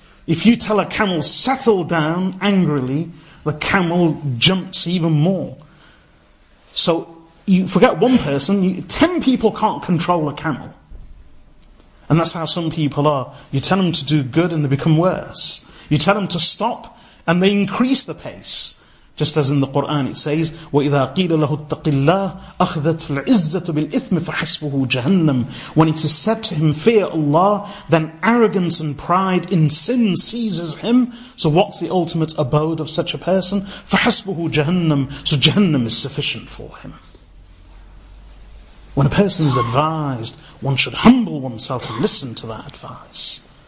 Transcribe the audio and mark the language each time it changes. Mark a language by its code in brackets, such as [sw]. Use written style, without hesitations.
[en] If you tell a camel, settle down angrily, the camel jumps even more. So you forget one person, 10 people can't control a camel. And that's how some people are. You tell them to do good and they become worse. You tell them to stop and they increase the pace. Just as in the Quran it says, [ar] وَإِذَا قِيلَ لَهُ اتَّقِ اللَّهِ أَخْذَتُ الْعِزَّةُ بِالْإِثْمِ فَحَسْبُهُ جَهَنَّمُ. [en] When it is said to him, fear Allah, then arrogance and pride in sin seizes him. So what's the ultimate abode of such a person? [ar] فَحَسْبُهُ جَهَنَّمُ. [en] So Jahannam is sufficient for him. When a person is advised, one should humble oneself and listen to that advice.